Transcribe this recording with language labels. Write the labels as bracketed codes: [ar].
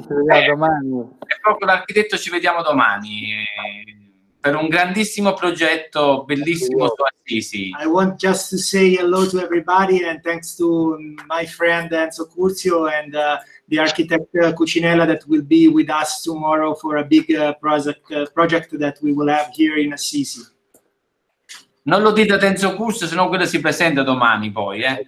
[it] E proprio l'architetto, ci vediamo domani per un grandissimo progetto bellissimo su Assisi. [en] I want just to say hello to everybody and thanks to my friend Enzo Curzio and the architect Cucinella that will be with us tomorrow for a big project that we will have here in Assisi. [it] Non lo dite a Enzo Curzio, sennò quello si presenta domani poi,